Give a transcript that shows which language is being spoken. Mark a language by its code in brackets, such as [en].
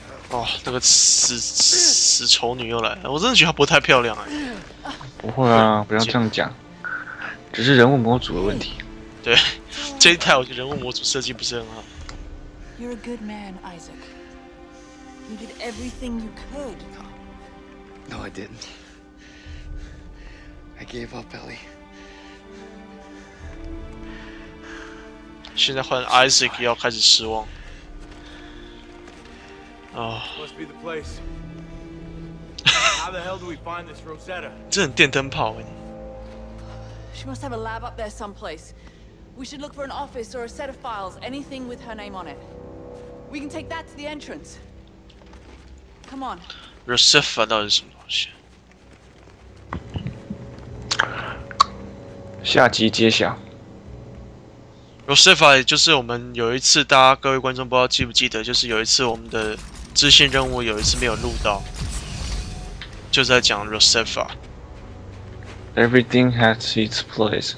[zh] 哦、oh, ，那个死丑女又来了，我真的觉得她不太漂亮哎、欸。不会啊，不要这样讲，只是人物模组的问题。对，这一套人物模组设计不是很好。 [en] You're a good man, Isaac. You did everything you could. No, I didn't. I gave up, Ellie. [zh] 现在换 Isaac 要开始失望。 [en] 哦。Must be the place. How the hell do we find this Rosetta? [zh] 这很电灯泡哎。 [en] She must have a lab up there someplace. We should look for an office or a set of files, anything with her name on it. We can take that to the entrance. Come on. [zh] Rosetta 到底是什么东西？下集揭晓。 Rosetta 就是我们有一次，大家各位观众不知道记不记得，就是有一次我们的支线任务有一次没有录到，就在讲 Rosetta。 [en] Everything has its place.